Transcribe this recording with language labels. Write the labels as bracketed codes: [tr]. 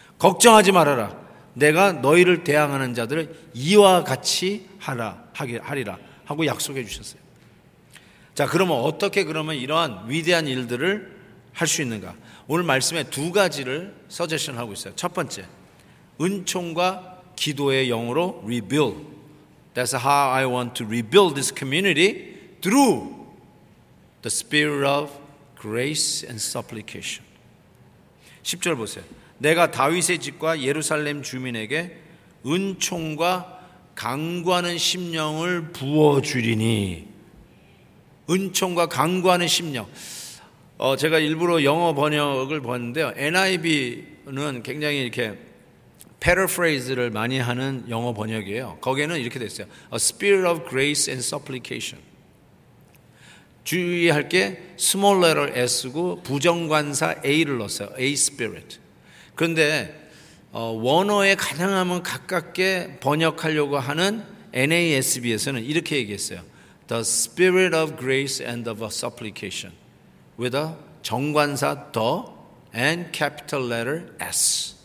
[ko] 걱정하지 말아라. 내가 너희를 대항하는 자들을 이와 같이 하리라 하고 약속해 주셨어요. 자, 그러면 어떻게 그러면 이러한 위대한 일들을 할 수 있는가? 오늘 말씀에 두 가지를 서제션하고 있어요. 첫 번째, 은총과 기도의 영으로 rebuild. [en] That's how I want to rebuild this community through the spirit of grace and supplication. [ko] 10절 보세요. 내가 다윗의 집과 예루살렘 주민에게 은총과 간구하는 심령을 부어주리니. 은총과 간구하는 심령. 제가 일부러 영어 번역을 봤는데요, NIV는 굉장히 이렇게 paraphrase를 많이 하는 영어 번역이에요. 거기에는 이렇게 됐어요. [en] A spirit of grace and supplication. [ko] 주의할 게 small letter S고 부정관사 A를 넣었어요. A spirit. 그런데 원어에 가능하면 가깝게 번역하려고 하는 NASB에서는 이렇게 얘기했어요. [en] The spirit of grace and of a supplication with a 정관사 the and capital letter S.